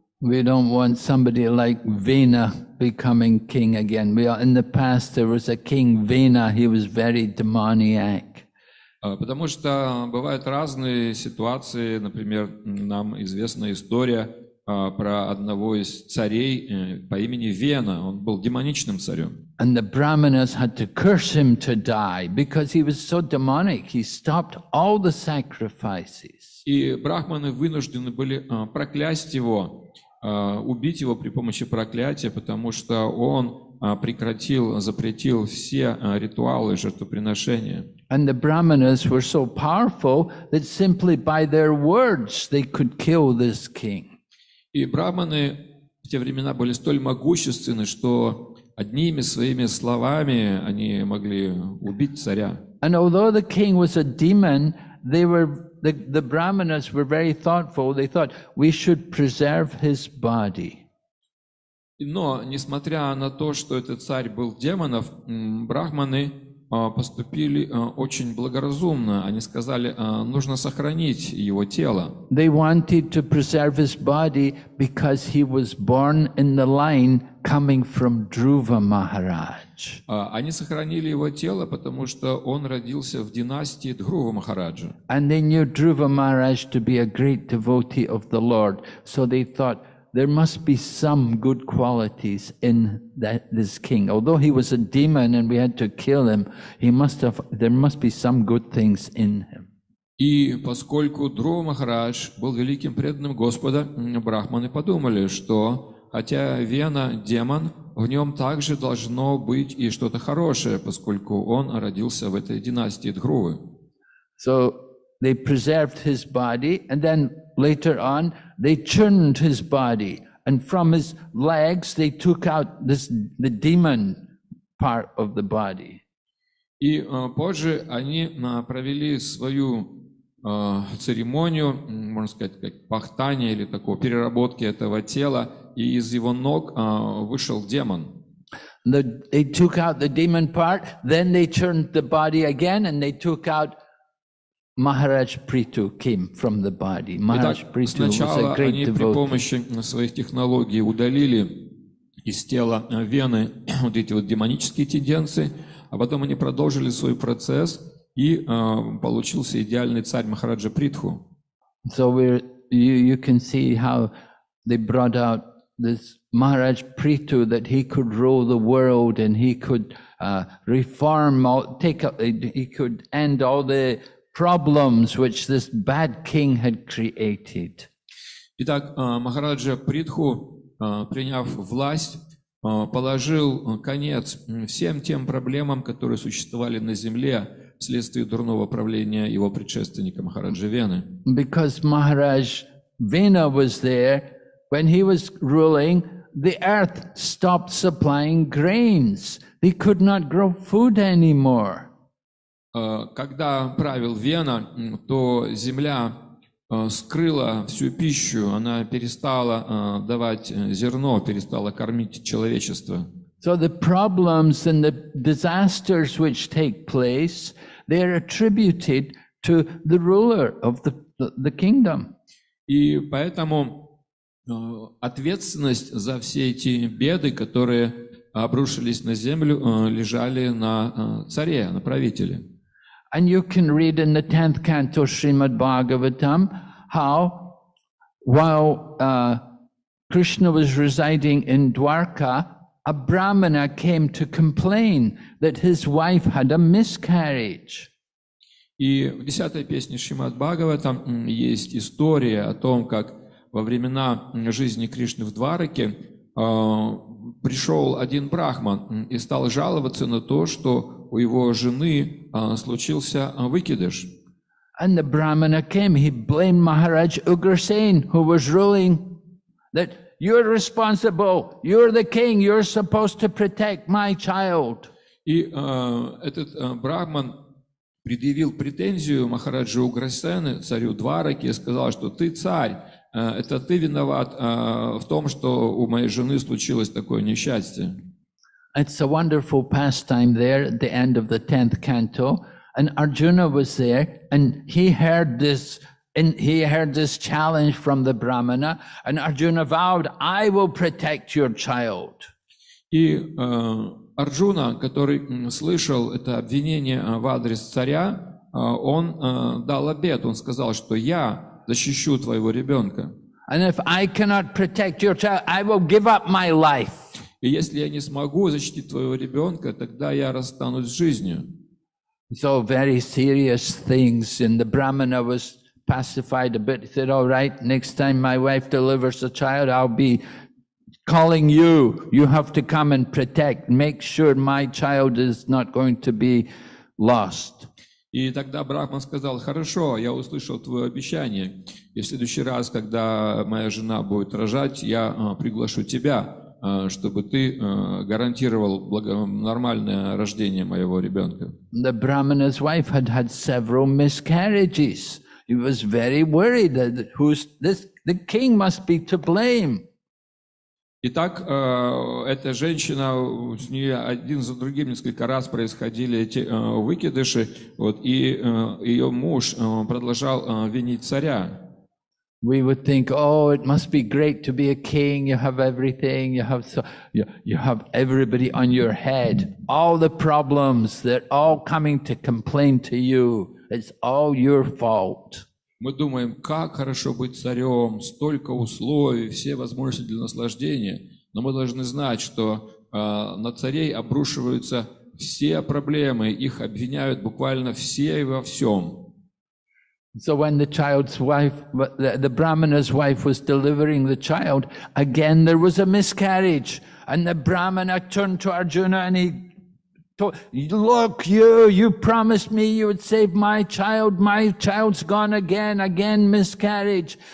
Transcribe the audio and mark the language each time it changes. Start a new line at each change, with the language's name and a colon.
English: We don't want somebody like Vena becoming king again. We are, in the past there was a king Vena, he was very demoniac.
Russian: Потому что бывают разные ситуации, например, нам известна история про одного из царей по имени Вена. Он был демоничным царем.
English: And the brahmanas had to curse him to die because he was so demonic. He stopped all the sacrifices.
Russian: И брахманы вынуждены были проклясть его, убить его при помощи проклятия, потому что он прекратил, запретил все ритуалы жертвоприношения.
English: And the brahmanas were so powerful that simply by their words they could kill this king.
Russian: И брахманы в те времена были столь могущественны, что одними своими словами они могли убить царя.
English: And although the king was a demon, they were, the brahmanas were very thoughtful. They thought we should preserve his body.
Russian: Но несмотря на то, что этот царь был демонов, брахманы поступили очень благоразумно. Они сказали, нужно сохранить его тело.
English: They wanted to preserve his body because he was born in the line coming from Dhruva Maharaj.
Russian: Они сохранили его тело, потому что он родился в династии Дхрува Махараджа.
English: And they knew Dhruva Maharaj to be a great devotee of the Lord, so they thought there must be some good qualities in that this king. Although he was a demon and we had to kill him, he must have, there must be some good things in him.
Russian: И поскольку Дхрува Махарадж был великим преданным Господа, брахманы подумали, что хотя Вена демон, в нем также должно быть и что-то хорошее, поскольку он родился в этой династии Дхрувы.
English: So they preserved his body, and then later on they churned his body, and from his legs they took out this, the demon part of the body.
Russian: И позже они провели свою церемонию, можно сказать, как пахтание или такого переработки этого тела, и из его ног вышел демон.
English: They took out the demon part, then they churned the body again, and they took out Maharaj Prithu came from the body. Maharaj Prithu was a great devotee.
Russian: Сначала они при помощи своих технологий удалили из тела вены вот эти вот демонические тенденции, а потом они продолжили свой процесс, и получился идеальный царь Махараджа Притху.
English: So you can see how they brought out this Maharaj Prithu, that he could rule the world and he could reform, he could end all the problems which this bad king had created.
Russian: Итак, Махараджа Притху, приняв власть, положил конец всем тем проблемам, которые существовали на земле вследствие дурного правления его предшественника Махараджа Вены.
English: Because Maharaj Vena was there, when he was ruling, the earth stopped supplying grains. They could not grow food anymore.
Russian: Когда правил Вена, то земля скрыла всю пищу, она перестала давать зерно, перестала кормить человечество.
English: So the problems and the disasters which take place, they are attributed to the ruler of the kingdom.
Russian: И поэтому ответственность за все эти беды, которые обрушились на землю, лежали на царе, на правителе.
English: And you can read in the 10th canto Srimad Bhagavatam how while Krishna was residing in Dwarka, A brahmana came to complain that his wife had a miscarriage.
Russian: И в 10-й песне Шримад-Бхагаватам есть история о том, как во времена жизни Кришны в Двараке пришел один брахман и стал жаловаться на то, что у его жены случился выкидыш.
English: And the brahmana came, he blamed Maharaj Ugrasen, who was ruling, that you're responsible, you're the king, you're supposed to protect my child.
Russian: И этот брахман предъявил претензию Махараджу Уграсену, царю Двараки, и сказал, что ты царь, это ты виноват в том, что у моей жены случилось такое несчастье.
English: It's a wonderful pastime there at the end of the 10th canto. And Arjuna was there, and he heard this challenge from the brahmana, and Arjuna vowed, I will protect your child.
Russian: И Арджуна, который слышал это обвинение в адрес царя, он дал обет, он сказал, что я защищу твоего ребенка.
English: And if I cannot protect your child, I will give up my life.
Russian: И если я не смогу защитить твоего ребенка, тогда я расстанусь с жизнью.
English: So very serious things, and the brahmana was pacified a bit. He said, "All right, next time my wife delivers a child, I'll be calling you. You have to come and protect. Make sure my child is not going to be lost."
Russian: И тогда брахман сказал: "Хорошо, я услышал твое обещание. И в следующий раз, когда моя жена будет рожать, я приглашу тебя, чтобы ты гарантировал нормальное рождение моего ребенка."
English: The brahmana's wife had had several miscarriages. He was very worried that the king must be to blame.
Russian: Итак, эта женщина, с ней один за другим несколько раз происходили эти выкидыши, вот, и ее муж продолжал винить царя.
English: We would think, oh, it must be great to be a king. You have everything. You have everybody on your head. All the problems, they're all coming to complain to you. It's all your fault.
Russian: Мы думаем, как хорошо быть царем, столько условий, все возможности для наслаждения. Но мы должны знать, что на царей обрушиваются все проблемы, их обвиняют буквально все и во всем.
English: So when the child's wife, the brahmana's wife was delivering the child, again there was a miscarriage, and the brahmana turned to Arjuna and he told, look, you promised me you would save my child's gone again miscarriage.